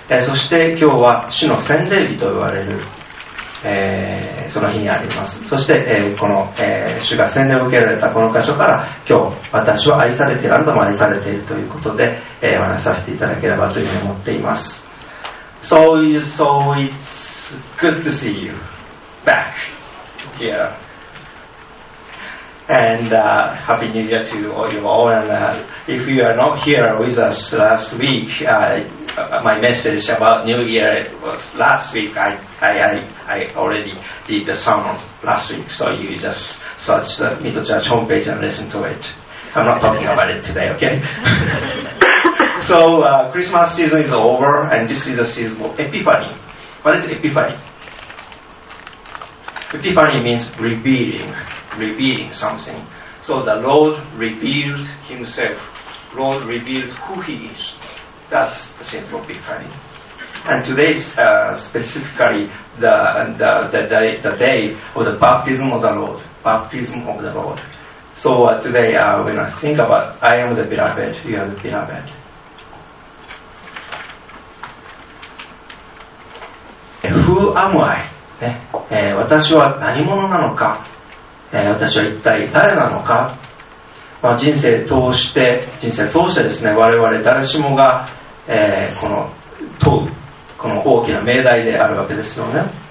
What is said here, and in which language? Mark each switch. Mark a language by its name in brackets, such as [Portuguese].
[Japanese] そして今日は主の洗礼日と言われる、その日にあります。そして、この、主が洗礼を受けられたこの箇所から、今日私は愛されている、あなたも愛されているということで、お話させていただければというふうに思っています。 [English] So you so it'sGood to see you back here. And、Happy New Year to all you all. And、if you are not here with us last week,、my message about New Year was last week. I already did the sermon last week. So you just search the Mito Church homepage and listen to it. I'm not talking about it today, okay? So、Christmas season is over, and this is a season of Epiphany. What is Epiphany? Epiphany means revealing something. So the Lord revealed himself. Lord revealed who he is. That's the simple Epiphany. And today is、specifically the day of the baptism of the Lord. Baptism of the Lord. So、today、when I think about I am the beloved, you are the beloved. Who am I?、 [Japanese] 私は何者なのか、私は一体誰なのか、まあ、人生通してですね、我々誰しもが、この問う、この大きな命題であるわけですよね。